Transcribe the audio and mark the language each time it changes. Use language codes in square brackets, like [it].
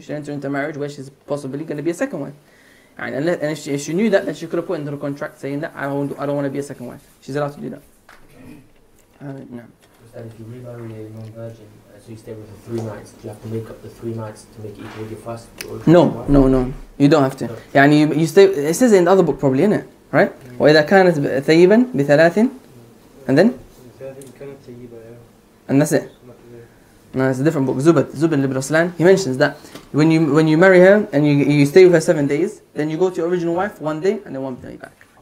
[en] She entered into a marriage where she's possibly going to be a second wife. And if she knew that, then she could have put into the contract saying that I don't want to be a second wife. She's allowed to do that. No. And if you remarry a non-virgin, so you stay with her 3 nights, do you have to make up the 3 nights to make it equal with your first? No. You don't have to. No. Yeah, and you stay. It says it in the other book, probably, isn't it? Right? [ar] وَإِذَا كَانَتْ ثَيِّبًا بِثَلَاثٍ. [en] And then? [ar] كَانَتْ ثَيِّبًا. [en] And that's it. No, it's a different book. Zubat, Zubin ibn Ruslan, he mentions that when you marry her and you stay with her 7 days, then you go to your original wife 1 day and then 1 day back.